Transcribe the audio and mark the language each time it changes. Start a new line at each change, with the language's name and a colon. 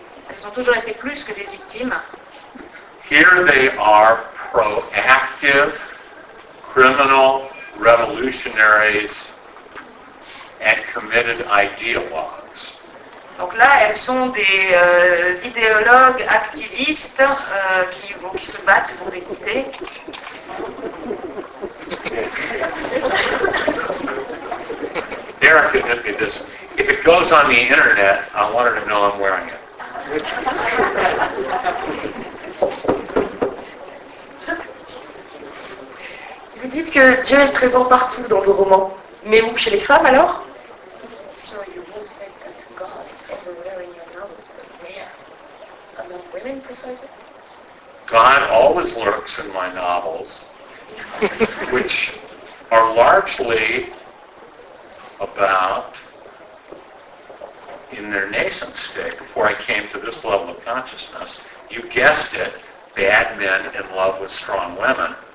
French: Elles ont toujours été plus que des victimes.
English: Here they are proactive criminal revolutionaries and committed ideologues.
French: Donc là, elles sont des idéologues activistes qui se battent pour des idées.
English: Erica, look at this. If it goes on the internet, I want her to know I'm wearing it.
French: Vous dites que Dieu est présent partout dans vos romans, mais où chez les femmes alors ?
English: So you won't say that God is everywhere in your novels, but where? Among women precisely? God always lurks in my novels, which are largely about in their nascent state, before I came to this level of consciousness, you guessed it, bad men in love with strong women.